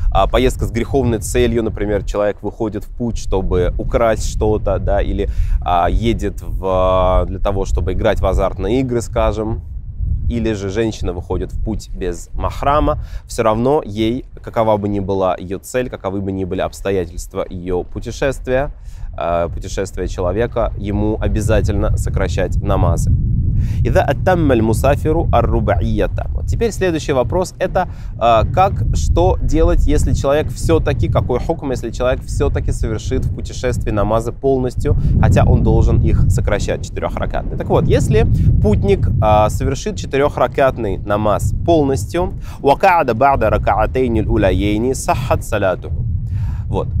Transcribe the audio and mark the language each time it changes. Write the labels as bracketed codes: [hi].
[ru] поездка с греховной целью, например, человек выходит в путь, чтобы украсть что-то, да, или едет для того, чтобы играть в азартные игры, скажем, или же женщина выходит в путь без махрама, все равно ей, какова бы ни была ее цель, каковы бы ни были обстоятельства ее путешествия, путешествия человека, ему обязательно сокращать намазы. [ar] إذا أتم المسافر الربعية. [ru] Теперь следующий вопрос – это как, что делать, если человек все-таки, какой хукм, если человек все-таки совершит в путешествии намазы полностью, хотя он должен их сокращать, четырехракатный. Так вот, если путник совершит четырехракатный намаз полностью, [ar] وَقَعَدَ بَعْدَ رَكَعَتَيْنِ الْأُولَيَيْنِ سَحَّتْ صَلَاتُهُ. [ru] Вот.